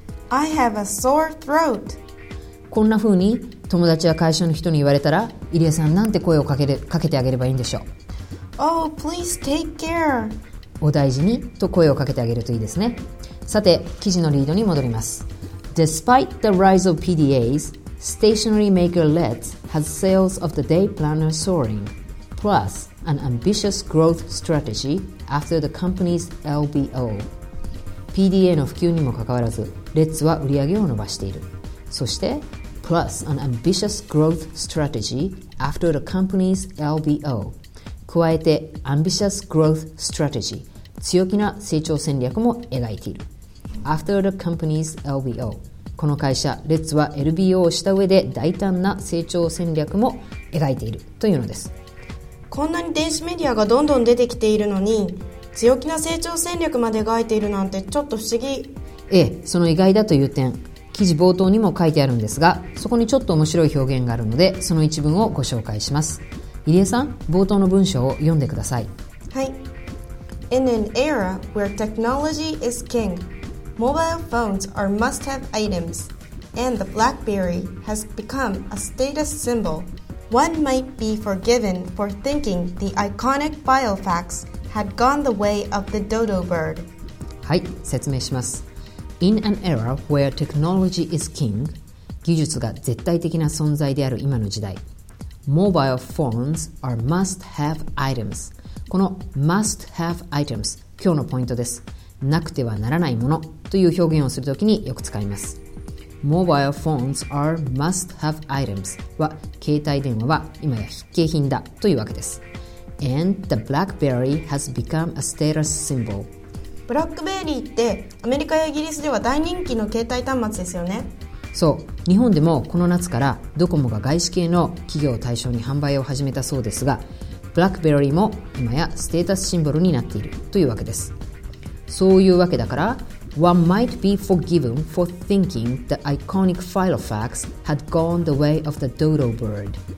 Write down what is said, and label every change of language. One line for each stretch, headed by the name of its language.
English: I have a sore throat。
Japanese: こんな風に友達や会社の人に言われたら、入江さんなんて声をかけてあげればいいんでしょう。
English: Oh, please take care。
Japanese: お大事にと声をかけてあげるといいですね。さて、記事のリードに戻ります。
English: Despite the rise of PDAs, stationery maker LEDs has sales of the day planner soaring, plus an ambitious growth strategy after the company's LBO.
Japanese: PDA の普及にもかかわらず、LEDs は売り上げを伸ばしている。そして、
English: plus an ambitious growth strategy after the company's LBO.
Japanese: 加えて、
English: ambitious growth strategy、
Japanese: 強気な成長戦略も描いている。
English: After the company's LBO、
Japanese: この会社レッツは LBO をした上で大胆な成長戦略も描いているというのです。こんなに電子メディアがどんどん出てきているのに強気な成長戦略まで描いているなんてちょっと不思議。ええ、その意外だという点、記事冒頭にも書いてあるんですが、そこにちょっと面白い表現があるので、その一文をご紹介します。入江さん、冒頭の文章を読んでください。はい。
English: In an era where technology is kingMobile phones are must-have items, and the BlackBerry has become a status symbol. One might be forgiven for thinking the iconic Filofax had gone the way of the dodo bird.
Japanese: はい、説明します。
English: In an era where technology is king,
Japanese: 技術が絶対的な存在である今の時代、
English: Mobile phones are must-have items.
Japanese: この must-have items、今日のポイントです。なくてはならないものという表現をするときによく使います。
English: Mobile phones are must have items
Japanese: は、携帯電話は今や必携品だというわけです。
English: And the BlackBerry has become a status symbol。
Japanese: BlackBerry ってアメリカやイギリスでは大人気の携帯端末ですよね。そう、日本でもこの夏からドコモが外資系の企業を対象に販売を始めたそうですが、 BlackBerry も今やステータスシンボルになっているというわけです。そういうわけだから、
English: One might be forgiven for thinking the iconic Filofax had gone the way of the dodo bird.